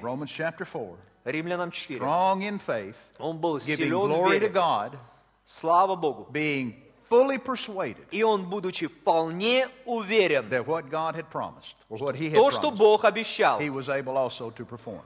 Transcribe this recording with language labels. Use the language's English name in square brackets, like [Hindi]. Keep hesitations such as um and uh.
[English] Romans chapter 4, [Russian] Римлянам 4. [English] Strong in faith, [Russian] он был силен в вере. God, слава Богу. [English] Being fully persuaded, [Russian] и он, будучи вполне уверен, [English] that what God had promised, or what he had [Russian] то, что [English] promised, [Russian] Бог обещал, [English] he was able also to perform.